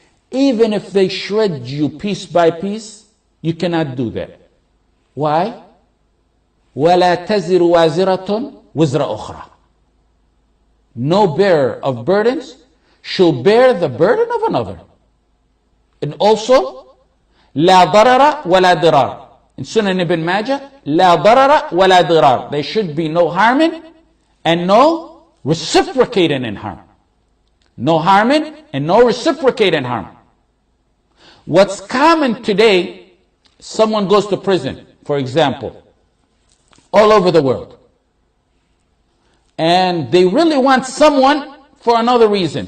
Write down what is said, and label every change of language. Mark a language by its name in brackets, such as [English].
[English] Even if they shred you piece by piece, you cannot do that. Why? [Arabic] وَلَا تَزِرُ وَازِرَةٌ وِزْرَ أُخْرَى. [English] No bearer of burdens shall bear the burden of another. And also, [Arabic] لَا ضَرَرَ وَلَا ضِرَارَ. [English] In Sunan ibn Majah, [Arabic] لَا ضَرَرَ وَلَا ضِرَارَ. [English] There should be no harming and no reciprocating in harm. No harming and no reciprocating harm. What's common today, someone goes to prison, for example, all over the world, and they really want someone for another reason.